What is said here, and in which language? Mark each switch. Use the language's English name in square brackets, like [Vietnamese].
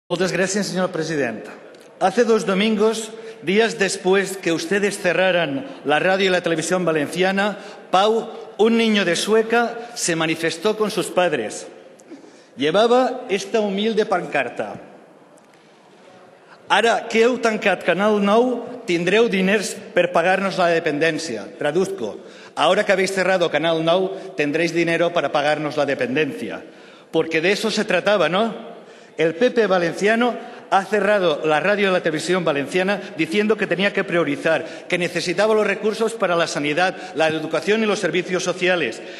[Spanish] Muchas gracias, señora presidenta. Hace dos domingos, días después que ustedes cerraran la radio y la televisión valenciana, Pau, un niño de Sueca, se manifestó con sus padres. Llevaba esta humilde pancarta. [Catalan] Ara que heu tancat Canal 9, tindreu diners per pagarnos la dependència. [Spanish] Traduzco. Ahora que habéis cerrado Canal 9, tendréis dinero para pagarnos la dependencia. Porque de eso se trataba, ¿no? El PP valenciano ha cerrado la radio y la televisión valenciana diciendo que tenía que priorizar, que necesitaba los recursos para la sanidad, la educación y los servicios sociales.